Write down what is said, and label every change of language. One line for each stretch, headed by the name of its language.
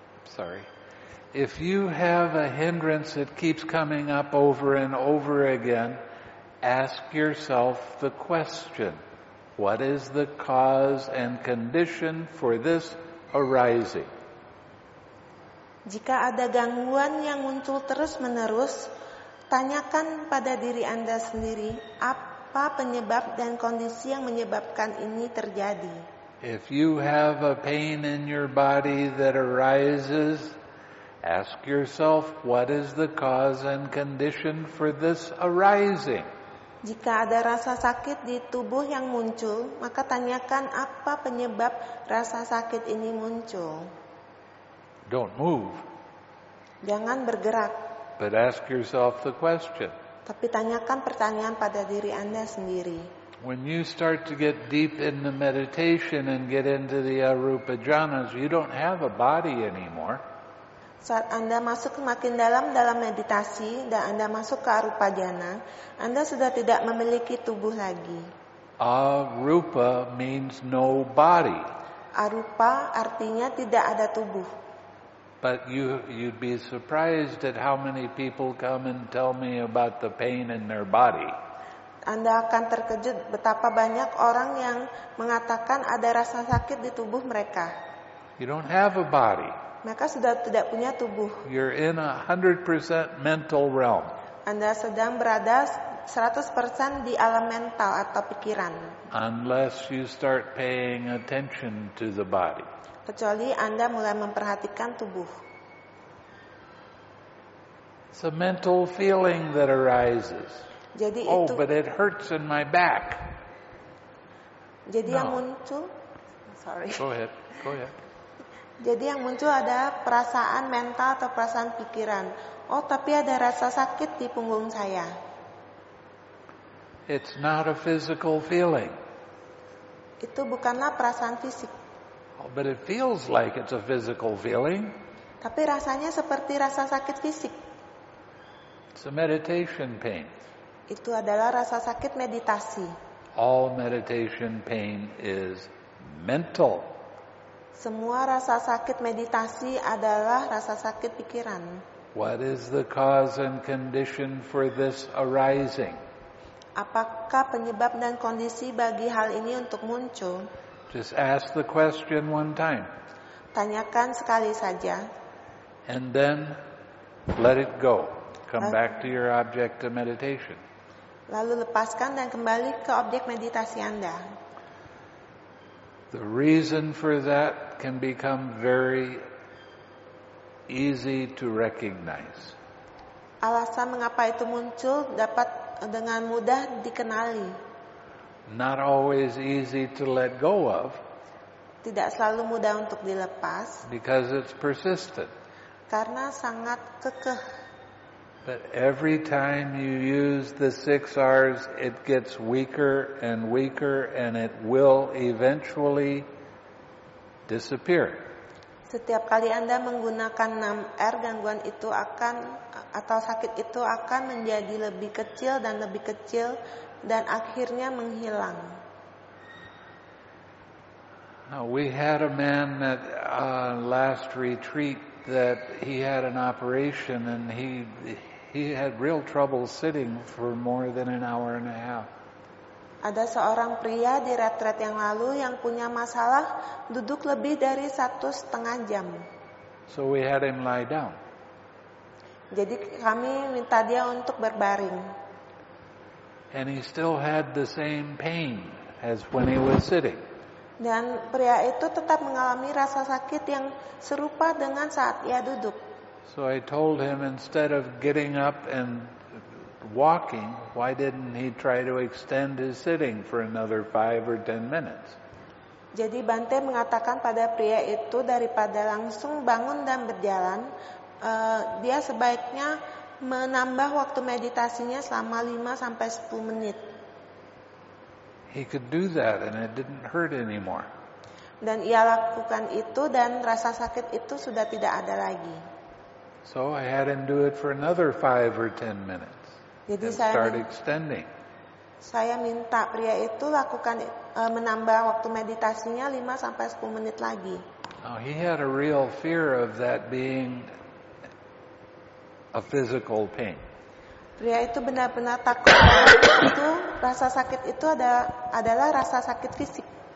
English: Sorry. If you have a hindrance that keeps coming up over and over again, ask yourself the question, what is the cause and condition for this arising?
Indonesian: Jika ada gangguan yang muncul terus-menerus, tanyakan pada diri Anda sendiri, apa penyebab dan kondisi yang menyebabkan ini terjadi?
English: If you have a pain in your body that arises, ask yourself, what is the cause and condition for this arising?
Indonesian: Jika ada rasa sakit di tubuh yang muncul, maka tanyakan apa penyebab rasa sakit ini muncul.
English: Don't move.
Indonesian: Jangan bergerak.
English: But ask yourself the question.
Indonesian: Tapi tanyakan pertanyaan pada diri Anda sendiri.
English: When you start to get deep in the meditation and get into the arupa jhanas, you don't have a body anymore.
Indonesian: Saat Anda masuk makin dalam dalam meditasi dan Anda masuk ke arupa jhana, Anda sudah tidak memiliki tubuh lagi.
English: Arupa means no body.
Indonesian: Arupa artinya tidak ada tubuh.
English: But you'd be surprised at how many people come and tell me about the pain in their body.
Indonesian: Anda akan terkejut betapa banyak orang yang mengatakan ada rasa sakit di tubuh mereka.
English: You don't have a body.
Indonesian: Mereka sudah tidak punya tubuh.
English: You're in a 100% mental realm.
Indonesian: Anda sedang berada 100% di alam mental atau pikiran.
English: Unless you start paying attention to the body.
Indonesian: Kecuali Anda mulai memperhatikan tubuh.
English: It's a mental feeling that arises.
Indonesian: Jadi
English: oh, but it hurts in my back.
Indonesian: Jadi no. Yang muncul,
English: sorry. Go ahead.
Indonesian: Jadi yang muncul ada perasaan mental atau perasaan pikiran. Oh, tapi ada rasa sakit di punggung saya.
English: It's not a physical feeling.
Indonesian: Itu bukanlah perasaan fisik.
English: Oh, but it feels like it's a physical feeling.
Indonesian: Tapi rasanya seperti rasa sakit fisik.
English: It's a meditation pain.
Indonesian: Itu adalah rasa sakit meditasi.
English: All meditation pain is mental.
Indonesian: Semua rasa sakit meditasi adalah rasa sakit pikiran.
English: What is the cause and condition for this arising?
Indonesian: Apakah penyebab dan kondisi bagi hal ini untuk muncul?
English: Just ask the question one time.
Indonesian: Tanyakan sekali saja.
English: And then let it go. Come back to your object of meditation.
Indonesian: Lalu lepaskan dan kembali ke objek meditasi Anda.
English: The reason for that can become very easy to recognize.
Indonesian: Alasan mengapa itu muncul dapat dengan mudah dikenali.
English: Not always easy to let go of.
Indonesian: Tidak selalu mudah untuk dilepas.
English: Because it's persistent.
Indonesian: Karena sangat kekeh.
English: But every time you use the 6 R's, it gets weaker and weaker, and it will eventually disappear.
Indonesian: Setiap kali Anda menggunakan 6 R, gangguan itu akan atau sakit itu akan menjadi lebih kecil dan akhirnya menghilang.
English: Now we had a man at last retreat that he had an operation and he had real trouble sitting for more than an hour and a half.
Indonesian: Ada seorang pria di retret yang lalu yang punya masalah duduk lebih dari 1.5 jam.
English: So we had him lie down.
Indonesian: Jadi kami minta dia untuk berbaring.
English: And he still had the same pain as when he was sitting.
Indonesian: Dan pria itu tetap mengalami rasa sakit yang serupa dengan saat ia duduk.
English: So I told him instead of getting up and walking, why didn't he try to extend his sitting for another 5 or 10 minutes?
Indonesian: Jadi Bante mengatakan pada pria itu daripada langsung bangun dan berjalan, dia sebaiknya menambah waktu meditasinya selama 5-10 menit.
English: He could do that and it didn't hurt anymore.
Indonesian: Dan ia lakukan itu dan rasa sakit itu sudah tidak ada lagi.
English: So I had him do it for another 5 or 10 minutes.
Indonesian: Jadi
English: and start extending.
Indonesian: Saya minta pria itu lakukan menambah waktu meditasinya 5-10 menit lagi.
English: Now he had a real fear of that being a physical pain.
Indonesian: Pria itu benar-benar takut itu rasa sakit itu adalah rasa sakit fisik.